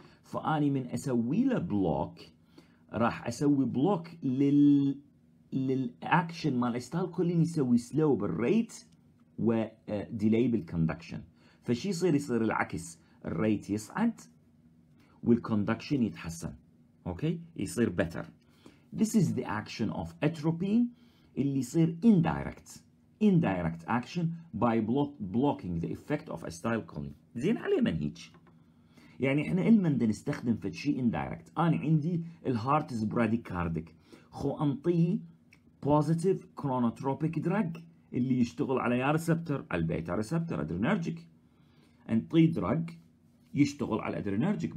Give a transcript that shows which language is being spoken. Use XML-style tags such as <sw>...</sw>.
<ar>فاني من اسوي له بلوك راح اسوي بلوك للاكشن مال الاستايل كولين، يسوي سلو بالريت وديلي بالكوندكشن. فشي يصير العكس، الريت يصعد والكوندكشن يتحسن، اوكي يصير بيتر.</ar> <en>This is the action of atropine</en> <ar>اللي يصير</ar> <en>indirect action by blocking the effect of acetyl choline.</en> <ar>زين عليه من هيك؟ يعني احنا المندا نستخدم في شيء indirect. انا عندي الهارت از براديكاردك، خو انطيه بوزيتيف كرونوتروبيك دراج اللي يشتغل على يا ريسبتور على البيتا ريسبتور ادرينرجيك، انطيه دراج يشتغل على ادرينرجيك.</ar>